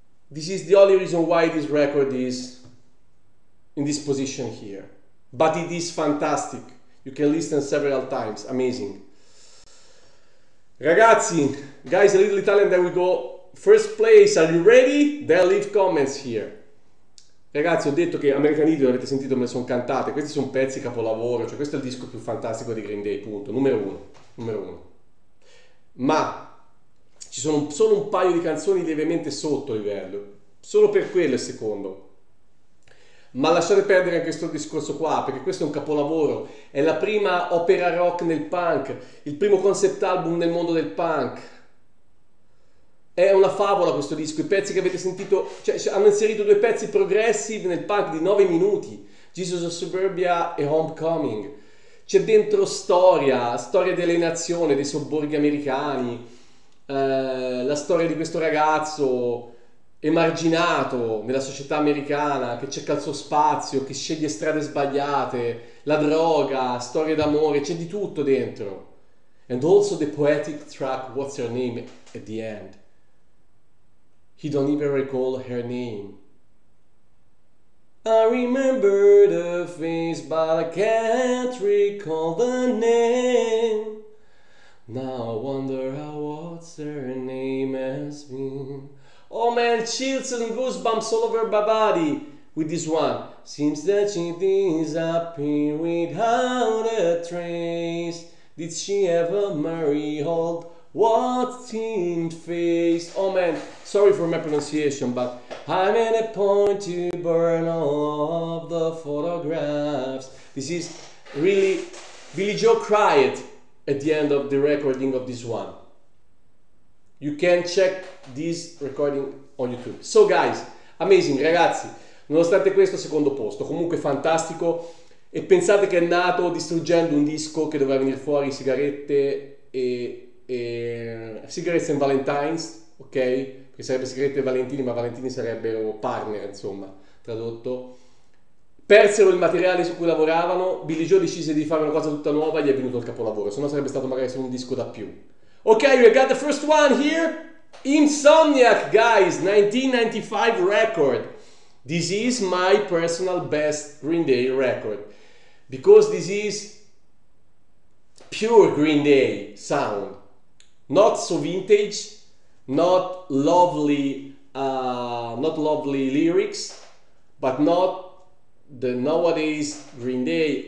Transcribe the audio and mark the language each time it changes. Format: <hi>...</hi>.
<en>This is the only reason why this record is in this position here. But it is fantastic. You can listen several times. Amazing.</en> <it>Ragazzi,</it> <en>guys, a little Italian, then we go. First place, are you ready? Then leave comments here.</en> <it>Ragazzi, ho detto che American Idiot, avete sentito, me le sono cantate. Questi sono pezzi capolavoro. Cioè, questo è il disco più fantastico di Green Day, punto. Numero uno. Ma ci sono solo un paio di canzoni lievemente sotto livello. Solo per quello è secondo. Ma lasciate perdere anche questo discorso qua, perché questo è un capolavoro. È la prima opera rock nel punk. Il primo concept album nel mondo del punk. È una favola questo disco. I pezzi che avete sentito, cioè, hanno inserito 2 pezzi progressive nel punk di 9 minuti. Jesus of Suburbia e Homecoming. C'è dentro storia delle nazioni, dei sobborghi americani. La storia di questo ragazzo emarginato nella società americana che cerca il suo spazio, che sceglie strade sbagliate, la droga, storie d'amore, c'è di tutto dentro.</it> <en>And also the poetic track What's Your Name at the end. He don't even recall her name. I remember the face but I can't recall the name. Now I wonder how what's her name has been. Oh man, chills and goosebumps all over my body with this one. Seems that she disappeared without a trace. Did she ever marry old what's-teamed face? Oh man, sorry for my pronunciation, but I'm at a point to burn all of the photographs. This is really Billy Joe cried at the end of the recording of this one. You can check this recording on YouTube. So guys, amazing,</en> <it>ragazzi, nonostante questo, secondo posto, comunque fantastico. E pensate che è nato distruggendo un disco che doveva venire fuori, sigarette e sigarette and Valentine's, ok? Che sarebbe sigarette e Valentini, ma Valentini sarebbero partner, insomma, tradotto. Persero il materiale su cui lavoravano, Billy Joe decise di fare una cosa tutta nuova e gli è venuto il capolavoro, se no sarebbe stato magari solo un disco da più.</it> <en>Ok, we got the first one here, Insomniac, guys, 1995 record. This is my personal best Green Day record, because this is pure Green Day sound, not so vintage, not lovely lyrics, but not the nowadays Green Day.</en>